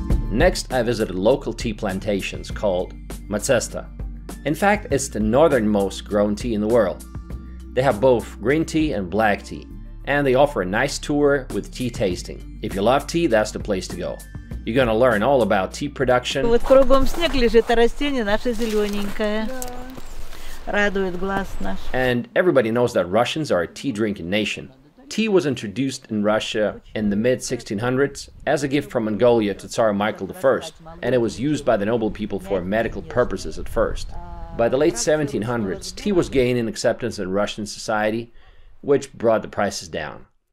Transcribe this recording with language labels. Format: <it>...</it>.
<en>Next, I visited local tea plantations called Macesta. In fact, it's the northernmost grown tea in the world. They have both green tea and black tea, and they offer a nice tour with tea tasting. If you love tea, that's the place to go. You're gonna learn all about tea production.</en> <ru>Вот кругом снег лежит, а растение наше зелененькое. Радует глаз наш.</ru> <en>And everybody knows that Russians are a tea-drinking nation. Tea was introduced in Russia in the mid-1600s as a gift from Mongolia to Tsar Michael I, and it was used by the noble people for medical purposes at first. By the late 1700s, tea was gaining acceptance in Russian society, which brought the prices down.</en>